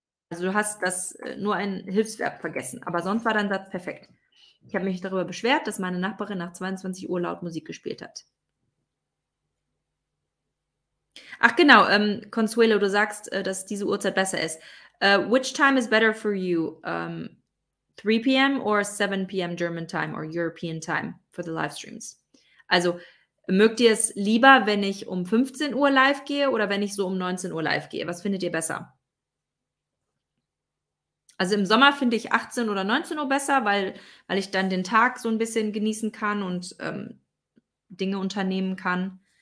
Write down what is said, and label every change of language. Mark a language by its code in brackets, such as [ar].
[de] Also du hast das nur ein Hilfsverb vergessen, aber sonst war dein Satz perfekt. Ich habe mich darüber beschwert, dass meine Nachbarin nach 22 Uhr laut Musik gespielt hat. Ach genau, Consuelo, du sagst, dass diese Uhrzeit besser ist. [en] Which time is better for you? 3 p.m. or 7 p.m. German time or European time for the live streams? [de] Also, mögt ihr es lieber, wenn ich um 15 Uhr live gehe oder wenn ich so um 19 Uhr live gehe? Was findet ihr besser? Also im Sommer finde ich 18 oder 19 Uhr besser, weil ich dann den Tag so ein bisschen genießen kann und Dinge unternehmen kann.